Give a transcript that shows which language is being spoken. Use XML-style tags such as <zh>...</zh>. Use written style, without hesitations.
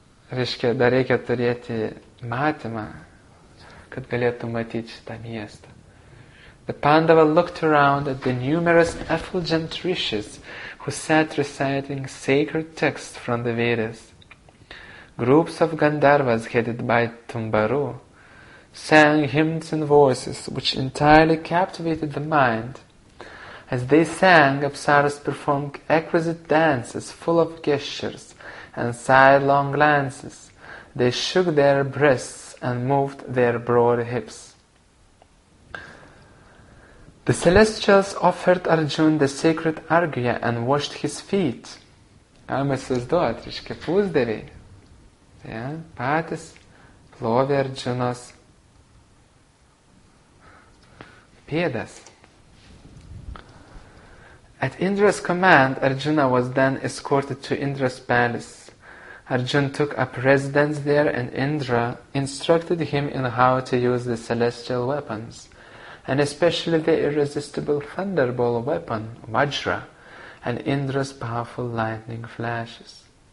<lt>Reiškia, dar reikia turėti matymą, kad galėtų matyti šitą miestą.</lt> <en>The Pandava looked around at the numerous effulgent rishis who sat reciting sacred texts from the Vedas. Groups of Gandharvas headed by Tumbaru sang hymns and voices which entirely captivated the mind. As they sang, Apsaras performed exquisite dances full of gestures and sidelong glances. They shook their breasts and moved their broad hips. The celestials offered Arjuna the sacred argya and washed his feet.</en> <lt>Galima įsivaizduoti, reiškia pusdeviai. Patys plovė Arjunos pėdas.</lt> <en>At Indra's command, Arjuna was then escorted to Indra's palace. Arjuna took up residence there and Indra instructed him in how to use the celestial weapons, and especially the irresistible thunderbolt weapon, Vajra, and Indra's powerful lightning flashes.</en>